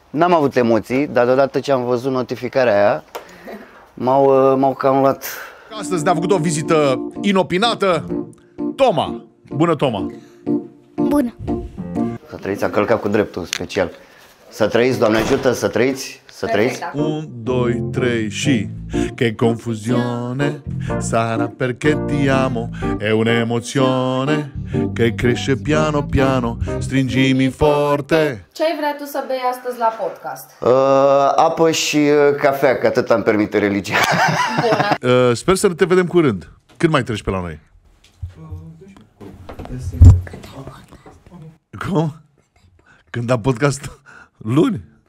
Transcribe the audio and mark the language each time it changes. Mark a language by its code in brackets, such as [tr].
[ro] N-am avut emoții, dar deodată ce am văzut notificarea aia, m-au cam luat. Astăzi ne-a făcut o vizită inopinată, Toma. Bună, Toma! Bună! Să trăiți, a călcat cu dreptul special. Să trăiți, Doamne ajută, să trăiți, să trăiți. Un, doi, trei și... [it] Che confusione sarà perché ti amo. È un'emozione che cresce piano piano. Stringimi forte. [ro] Ce ai vrea tu să bei astăzi la podcast? Apă și cafea, că atât îmi permite religia. Sper să te vedem curând. Cât mai treci pe la noi? Cum? Când am podcast? Luni.